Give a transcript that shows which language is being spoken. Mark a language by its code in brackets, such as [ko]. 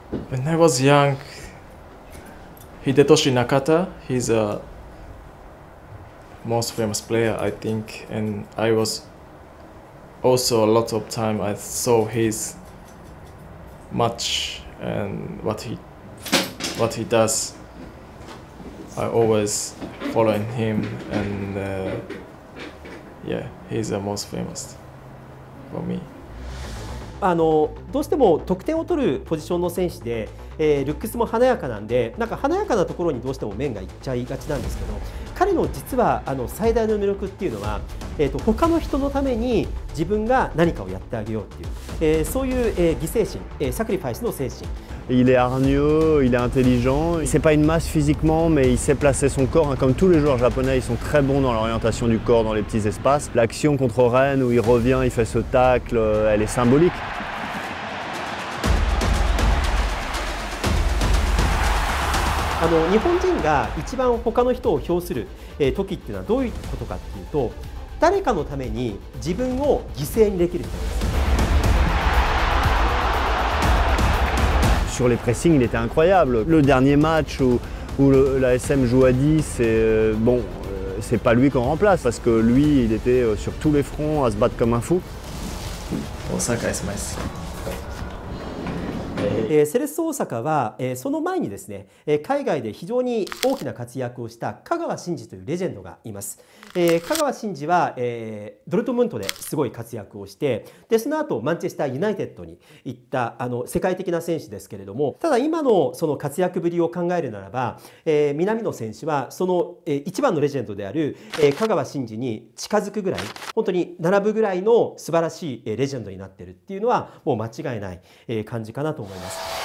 [en] When I was young, Hidetoshi Nakata, he's a most famous player, I think, and I wasAlso, a lot of time I saw his match and what he does. I always following him and he's the most famous for me. [ja] どうしても得点を取るポジションの選手で、ルックスも華やかなんで、なんか華やかなところにどうしても面がいっちゃいがちなんですけど、彼の実は最大の魅力っていうのは、他の人のために自分が何かをやってあげようっていう、そういう、犠牲心、サクリファイスの精神。 [fr] Il est hargneux, il est intelligent. C'est pas une masse physiquement, mais il sait placer son corps. Comme tous les joueurs japonais, ils sont très bons dans l'orientation du corps dans les petits espaces. L'action contre Rennes où il revient, il fait ce tacle, elle est symbolique. [ja] 日本人が一番他の人を評する時っていうのはどういうことかっていうと、誰かのために自分を犠牲にできる人です。 [fr] Sur les pressings, il était incroyable. Le dernier match où la SM joue à 10, c'est pas lui qu'on remplace parce que lui, il était sur tous les fronts à se battre comme un fou. [en] Osaka is nice. [ja] セレッソ大阪は、その前にですね、海外で非常に大きな活躍をした香川真司というレジェンドがいます。香川真司は、ドルトムントですごい活躍をして、でその後マンチェスターユナイテッドに行った世界的な選手ですけれども、ただ今のその活躍ぶりを考えるならば、南野選手はその、一番のレジェンドである、香川真司に近づくぐらい、本当に並ぶぐらいの素晴らしい、レジェンドになっているっていうのはもう間違いない、感じかなと思います。